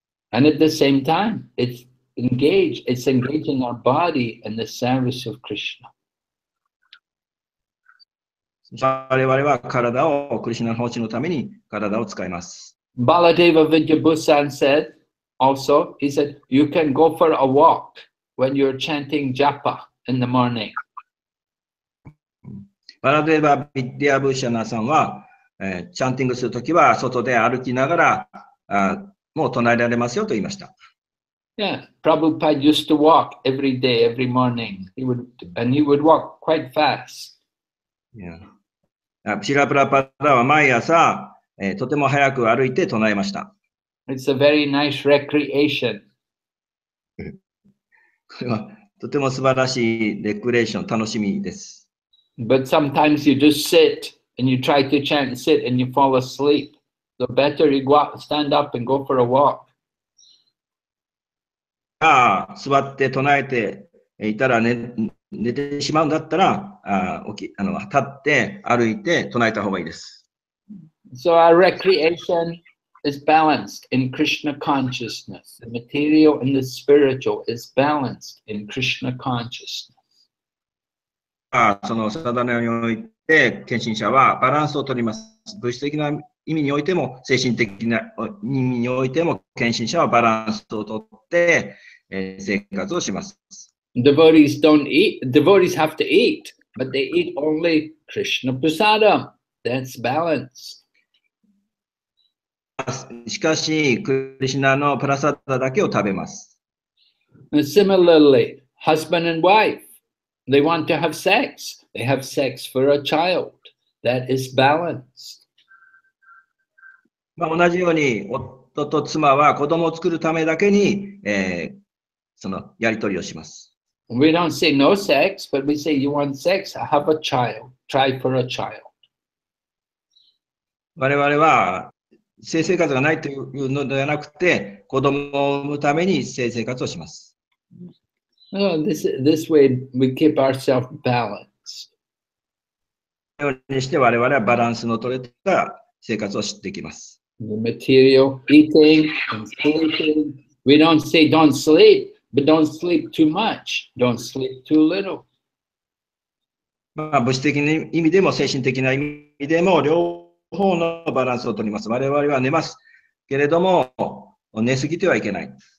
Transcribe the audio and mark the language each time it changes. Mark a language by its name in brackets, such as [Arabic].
[English] And at the same time, it's engaging our body in the service of Krishna. [Japanese] 我々は体を、クリシナの奉仕のために体を使います。 [English] Baladeva Vidyabhusan said, also, he said, you can go for a walk when you're chanting japa in the morning. [Japanese] Baladeva Vidyabhusan さんは、チャンティングするときは外で歩きながら、もう唱えられますよと言いました。 [English] Yeah, Prabhupada used to walk every day, every morning. He would walk quite fast. Yeah. [Japanese] シラプラパダは毎朝、とても早く歩いて唱えました。 [English] It's a very nice recreation. [Japanese] これはとても素晴らしいレクレーション、楽しみです。 [English] But sometimes you just sit and you try to chant and sit and you fall asleep. So better you go out, stand up and go for a walk. [Japanese] ああ座って唱えていたら 寝てしまうんだったら、立って歩いて唱えた方がいいです。 [English] So our recreation is balanced in Krishna consciousness. The material and the spiritual is balanced in Krishna consciousness. [Japanese] ああそのサダナにおいて、献身者はバランスを取ります。物質的な意味においても、精神的な意味においても、献身者はバランスを取って、生活をします。 [English] Devotees don't eat. Devotees have to eat, but they eat only Krishna prasada. That's balance. [Japanese] しかし、クリシナのプラサダだけを食べます。 [English] And similarly, husband and wife, they want to have sex. They have sex for a child. That is balance. [Japanese] まあ、同じように夫と妻は子供を作るためだけに、そのやり取りをします。 [English] We don't say no sex, but we say you want sex, have a child, try for a child. [Japanese] 我々は性生活がないというのではなくて、子供を産むために性生活をします。 [English] Oh, this way we keep ourselves balanced. [Japanese] このようにして我々はバランスの取れた生活をしていきます。 [English] The material, eating and sleeping. We don't say don't sleep, but don't sleep too much. Don't sleep too little. [Japanese] まあ物質的な意味でも精神的な意味でも両方のバランスを取ります。我々は寝ますけれども寝すぎてはいけない。